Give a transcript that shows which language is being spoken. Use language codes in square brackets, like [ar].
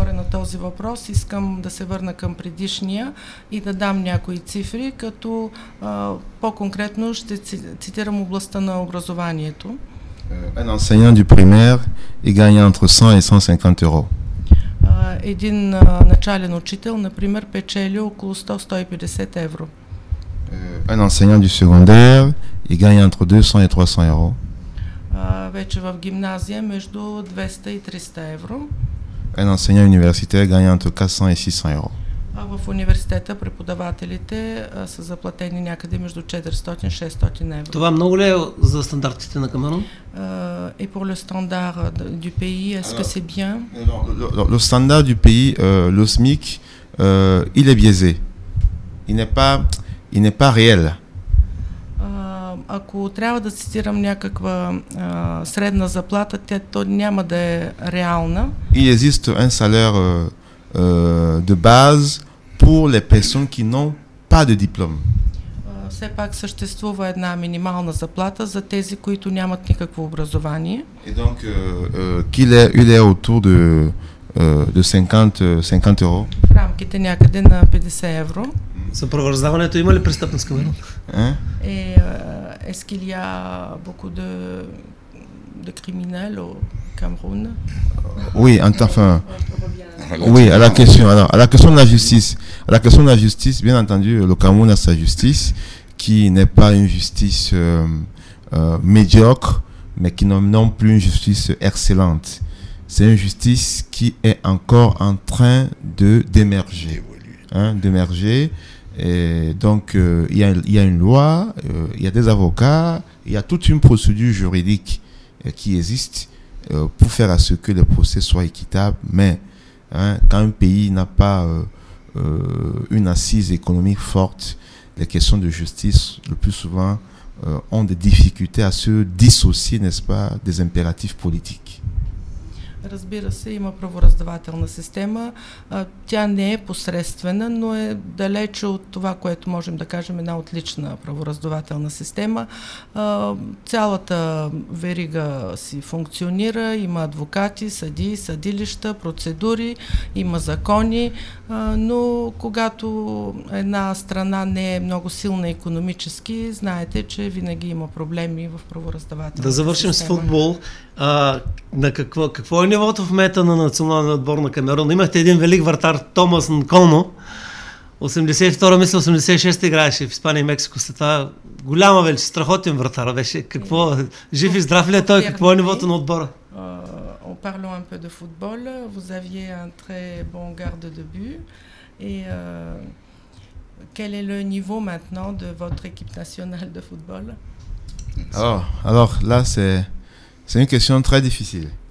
[bg] Този въпрос, искам да се върна към предишния и да дам някои цифри, като по-конкретно ще цитирам областта на образованието. [fr] Un enseignant du primaire et gagne entre 100 et 150 euros. [bg] Един начален учител, например, печели около 100-150 евро. [fr] Un enseignant du secondaire et gagne entre 200 et 300 euros. [bg] Вече в гимназия между 200 и 300 евро. [fr] Un enseignant universitaire gagne entre 400 et 600 euros. [bg] В университета преподавателите са заплатени някъде между 400-600 евро. Това много ли е за стандартите на Камерун? [fr] Et pour le standard du pays, est-ce que c'est bien? Le standard du pays, le SMIC, il est biaisé. Il n'est pas réel. [bg] ако трябва да цитирам някаква средна заплата, тя то няма да е реална. [fr] Il existe un salaire de base pour les personnes qui n'ont pas de diplôme. [bg] Все пак съществува една минимална заплата за тези, които нямат никакво образование. [fr] Et donc il est autour de 50 euros. [bg] В рамките някъде на 50 евро. Съпровързаването има ли престъпност към едното? [fr] Est-ce qu'il y a beaucoup de criminels au Cameroun? Oui, enfin. Oui, à la question. Alors, à la question de la justice. À la question de la justice, bien entendu, le Cameroun a sa justice, qui n'est pas une justice médiocre, mais qui n'est non plus une justice excellente. C'est une justice qui est encore en train d'émerger. Hein, d'émerger. Et donc, il y a une loi, il y a des avocats, il y a toute une procédure juridique qui existe pour faire à ce que le procès soit équitable. Mais hein, quand un pays n'a pas une assise économique forte, les questions de justice, le plus souvent, ont des difficultés à se dissocier, n'est-ce pas, des impératifs politiques. [bg] Разбира се, има правораздавателна система. Тя не е посредствена, но е далече от това, което можем да кажем, една отлична правораздавателна система. Цялата верига си функционира, има адвокати, съдии, съдилища, процедури, има закони, но когато една страна не е много силна икономически, знаете, че винаги има проблеми в правораздавателната система. Да завършим система. С футбол. На какво е нивото в мета на националния отбор на Камерун? Имахте един велик вратар, Томас Нконо. 82-а, мисля, 86-та играеше в Испания и Мексико. След това голяма вече, страхотен вратар беше. Какво, жив и здрав ли е той? Какво е нивото на отбора? [fr] On parle un peu de football. Vous aviez un très bon garde de but. Et quel est le niveau maintenant de votre équipe nationale de football? Alors là, c'est une question très difficile.